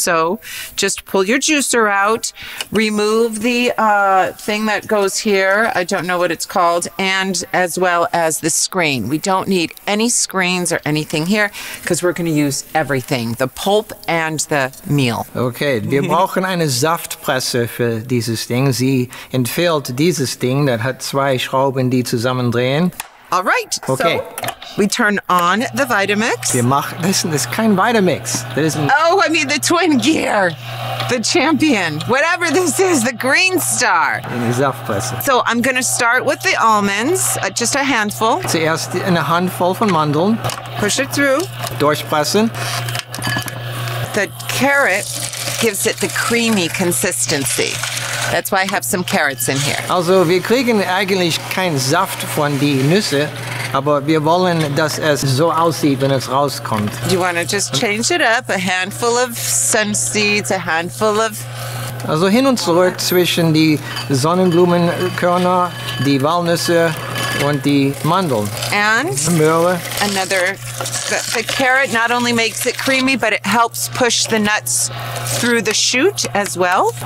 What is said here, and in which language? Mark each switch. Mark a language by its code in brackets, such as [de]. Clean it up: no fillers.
[en] So just pull your juicer out, remove the thing that goes here, I don't know what it's called, and as well as the screen. We don't need any screens or anything here because we're going to use everything, the pulp and the meal. [de] Okay, wir brauchen eine Saftpresse für dieses Ding. Sie entfällt dieses Ding, das hat zwei Schrauben, die zusammendrehen. [en] All right. Okay. So we turn on the Vitamix. [de] Wir machen, [en] listen, this kind of Vitamix. There isn't. Oh, I mean the Twin Gear, the Champion, whatever this is, the Green Star. In the Saftpresse. So I'm going to start with the almonds, just a handful. [de] Zuerst eine Handvoll von Mandeln. [en] Push it through. [de] Durchpressen. [en] The carrot gives it the creamy consistency. That's why I have some carrots in here. [de] Also, wir kriegen eigentlich keinen Saft von den Nüssen, aber wir wollen, dass es so aussieht, wenn es rauskommt. [en] Do you want to just change it up? A handful of sun seeds, a handful of... [de] Also, hin und zurück zwischen die Sonnenblumenkörner, die Walnüsse und die Mandeln. [en] And [de] Möhre. [en] Another... The carrot not only makes it creamy, but it helps push the nuts through the shoot as well.